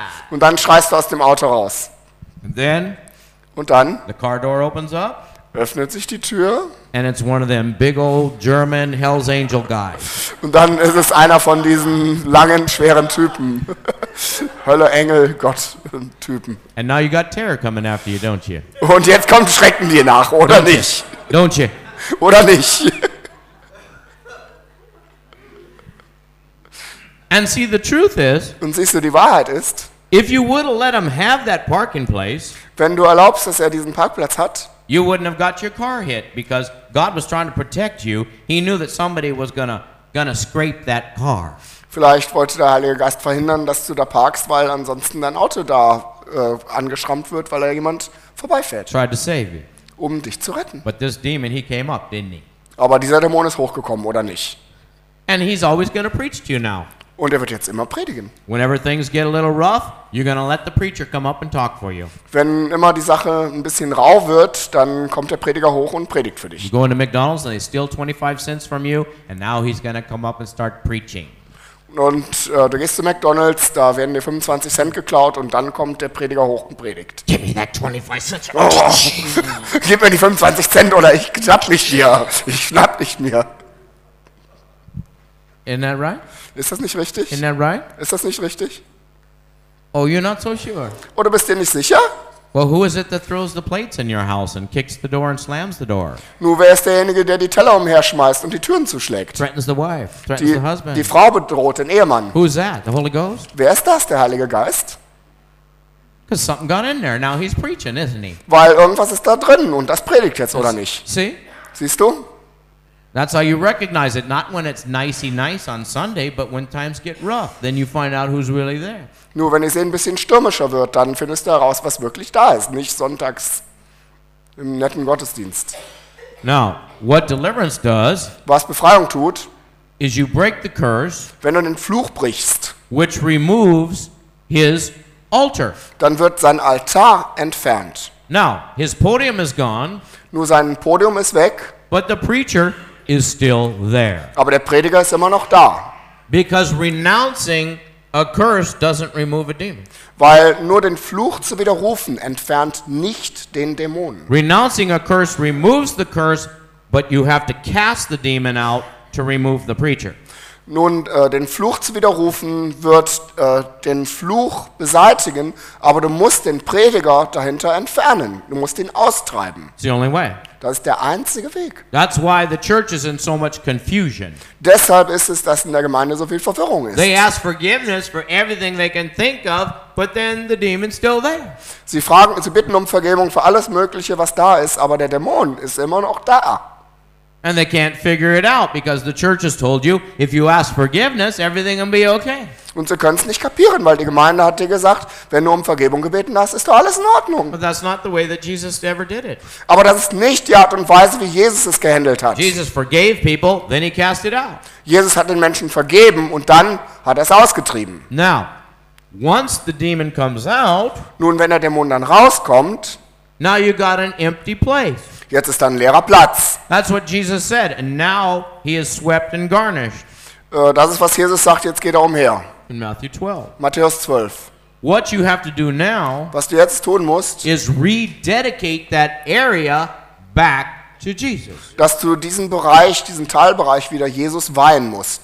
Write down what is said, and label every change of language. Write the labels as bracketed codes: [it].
[de] Und dann schreist du aus dem Auto raus. [en] And then, [de] und dann [en] the car door opens up. [de] Öffnet sich die Tür. [en] And it's one of them big old German Hell's Angel guys. [de] Und dann ist es einer von diesen langen, schweren Typen. Hölle, Engel, Gott, Typen. [en] And now you got terror coming after you, don't you? [de] Und jetzt kommt Schrecken dir nach, oder [en] don't [de] nicht? [en] You? Don't you? [de] Oder nicht? [en] And see, the truth is, [de] und siehst du, die Wahrheit ist, [en] if you would have let him have that parking place, [de] wenn du erlaubst, dass er diesen Parkplatz hat, [en] you wouldn't have got your car hit because God was trying to protect you. He knew that somebody was gonna scrape that car. [de] Vielleicht wollte der Heilige Geist verhindern, dass du da parkst, weil ansonsten dein Auto da angeschrammt wird, weil da jemand vorbeifährt. [en] Tried to save you. [de] Um dich zu retten. [en] But this demon, he came up, didn't he? [de] Aber dieser Dämon ist hochgekommen, oder nicht? [en] And he's always gonna preach to you now. [de] Und er wird jetzt immer predigen. [en] Whenever things get a little rough, you're gonna let the preacher come up and talk for you. [de] Wenn immer die Sache ein bisschen rau wird, dann kommt der Prediger hoch und predigt für dich. [en] You go into McDonald's and they steal 25 cents from you, and now he's gonna come up and start preaching. [de] Und du gehst zu McDonald's, da werden dir 25 Cent geklaut und dann kommt der Prediger hoch und predigt. [en] Give me that 25 cents. [de] Oh, gib mir die 25 Cent oder ich schnapp mich dir. Ich schnapp dich mir. [en] Isn't that right? [de] Ist das nicht richtig? [en] Isn't that right? [de] Ist das nicht richtig? [en] Oh, you're not so sure. [de] Oder bist du nicht sicher? [en] Well, who is it that throws the plates in your house and kicks the door and slams the door? [de] Nur wer ist derjenige, der die Teller umherschmeißt und die Türen zuschlägt? [en] Threatens the wife, threatens the husband. [de] Die Frau bedroht den Ehemann. [en] Who's that? The Holy Ghost? [de] Wer ist das, der Heilige Geist? [en] Because something got in there. Now he's preaching, isn't he? [de] Weil irgendwas ist da drin und das predigt jetzt, oder nicht? [en] See? [de] Siehst du? [en] That's how you recognize it, not when it's nicey nice on Sunday, but when times get rough, then you find out who's really there. [de] Nur wenn es ein bisschen stürmischer wird, dann findest du heraus, was wirklich da ist, nicht sonntags im netten Gottesdienst. [en] Now, what deliverance does, [de] was Befreiung tut, [en] is you break the curse, [de] wenn du den Fluch brichst, [en] which removes his altar. [de] Dann wird sein Altar entfernt. [en] Now, his podium is gone. [de] Nur sein Podium ist weg. [en] But the preacher is still there. [de] Aber der Prediger ist immer noch da. [en] Because renouncing a curse doesn't remove a demon. [de] Weil nur den Fluch zu widerrufen entfernt nicht den Dämon. [en] Renouncing a curse removes the curse, but you have to cast the demon out to remove the preacher. [de] Nun, den Fluch zu widerrufen wird den Fluch beseitigen, aber du musst den Prediger dahinter entfernen. Du musst ihn austreiben. [en] It's the only way. [de] Das ist der einzige Weg. [en] That's why the church is in so much confusion. [de] Deshalb ist es, dass in der Gemeinde so viel Verwirrung ist. [en] They ask forgiveness for everything they can think of, but then the demon's still there. [de] Sie bitten um Vergebung für alles Mögliche, was da ist, aber der Dämon ist immer noch da. [en] And they can't figure it out because the church has told you if you ask forgiveness everything will be okay. [de] Und sie können es nicht kapieren, weil die Gemeinde hat dir gesagt, wenn du um Vergebung gebeten hast, ist doch alles in Ordnung. [en] But that's not the way that Jesus ever did it. [de] Aber das ist nicht die Art und Weise, wie Jesus es gehandelt hat. [en] Jesus forgave people, then he cast it out. [de] Jesus hat den Menschen vergeben und dann hat er es ausgetrieben. [en] Now, once the demon comes out, [de] nun wenn der Dämon dann rauskommt, [en] now you got an empty place. [de] Jetzt ist da ein leerer Platz. [en] That's what Jesus said, and now he is swept and garnished. [de] Das ist, was Jesus sagt, jetzt geht er umher. [en] In Matthew 12. [de] Matthäus 12. [en] What you have to do now, [de] was du jetzt tun musst, [en] is rededicate that area back to Jesus. [de] Dass du diesen Bereich, diesen Teilbereich wieder Jesus weihen musst.